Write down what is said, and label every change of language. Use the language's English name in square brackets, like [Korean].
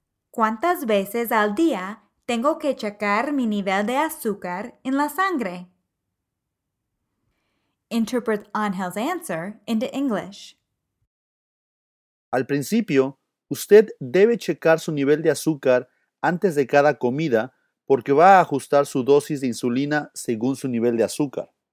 [Spanish] ¿Cuántas veces al día tengo que checar mi nivel de azúcar en la sangre? [English] Interpret Angel's answer into English. [Spanish] Al principio, usted debe checar su nivel de azúcar antes de cada comida porque va a ajustar su dosis de insulina según su nivel de azúcar.